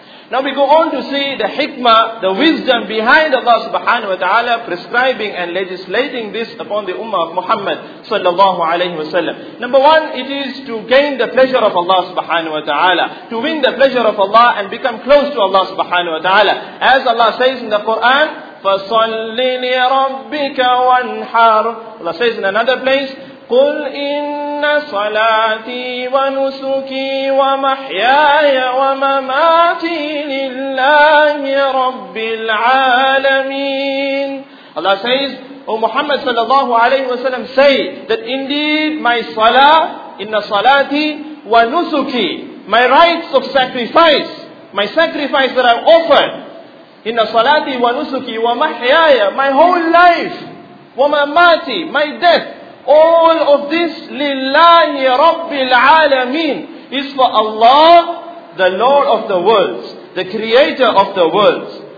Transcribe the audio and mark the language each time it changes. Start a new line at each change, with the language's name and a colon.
English: Now we go on to see the hikmah, the wisdom behind Allah subhanahu wa ta'ala prescribing and legislating this upon the ummah of Muhammad sallallahu alayhi wa sallam. Number one, it is to gain the pleasure of Allah subhanahu wa ta'ala, to win the pleasure of Allah and become close to Allah subhanahu wa ta'ala. As Allah says in the Quran,
Arabic: فَصَلِّ لِرَبِّكَ وَانْحَرْ.
English: Allah says in another place,
Arabic: قُلْ إِنَّ صَلَاتِي وَنُسُكِي وَمَحْيَايَ وَمَمَاتِي لِلَّهِ رَبِّ الْعَالَمِينَ.
English: Allah says, O Muhammad sallallahu alayhi wa sallam, say that indeed my salah,
Arabic: إِنَّ صَلَاتِي وَنُسُكِي,
English: my rites of sacrifice, my sacrifice that I've offered,
Arabic: إِنَّ صَلَاتِي وَنُسُكِي وَمَحْيَايَ,
English: my whole life, وَمَمَاتِي, my death, all of this,
Arabic: لِلَّهِ رَبِّ الْعَالَمِينَ,
English: is for Allah, the Lord of the worlds, the Creator of the worlds.